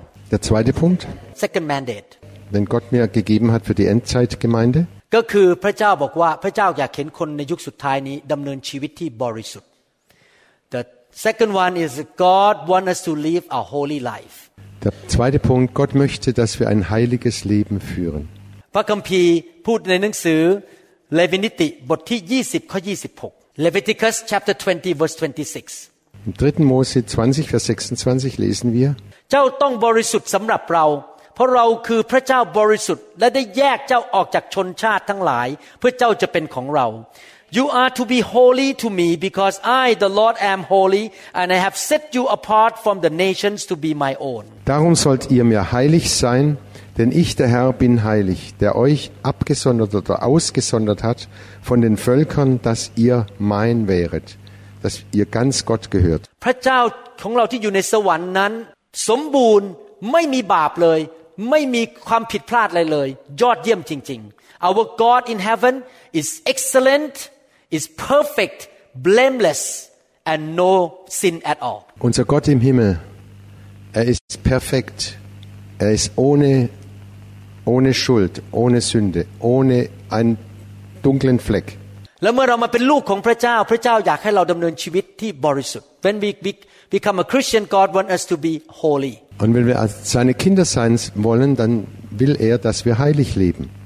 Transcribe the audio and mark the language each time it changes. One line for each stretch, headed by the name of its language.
German: Der zweite Punkt, den Gott mir gegeben hat für die Endzeitgemeinde,
Thai: ก็คือพระเจ้าบอกว่าพระเจ้าอยากเห็นคนในยุคสุดท้ายนี้ดำเนินชีวิตที่บริสุทธิ์
English: The second one is God wants us to live a holy life.
German: Der zweite Punkt, Gott möchte, dass wir ein heiliges Leben führen.
Thai: พระคัมภีร์พูดในหนังสือเลวินิติบทที่20ข้อ26
English: Leviticus chapter 20 verse 26.
German: Im dritten Mose 20 Vers 26 lesen wir.
Thai: เจ้าต้องบริสุทธิ์สำหรับเราเพราะเราคือพระเจ้าบริสุทธิ์และได้แยกเจ้าออกจากชนชาติทั้งหลายเพื่อเจ้าจะเป็นของเรา
English: You are to be holy to me because I the Lord am holy and I have set you apart from the nations to be my own
German: Darum sollt ihr mir heilig sein denn ich der Herr bin heilig der euch abgesondert oder ausgesondert hat von den Völkern dass ihr mein wäret dass ihr ganz Gott gehört
Thai: พระเจ้าของเราที่อยู่ในสวรรค์นั้นสมบูรณ์ไม่มีบาปเลยไม่มีความผิดพลาดอะไรเลยยอดเยี่ยมจริงๆ
English: Our God in heaven is excellent is perfect blameless and no sin at all
German: Unser Gott im Himmel ist perfekt ist ohne Schuld ohne Sünde ohne einen dunklen Fleck
Thai: แล้วเมื่อเรามาเป็นลูกของพระเจ้าอยากให้เราดำเนินชีวิตที่บริสุทธิ์
English: When we become a Christian God wants us to be holy
German: Und wenn wir seine Kinder sein wollen, dann will er, dass wir heilig leben.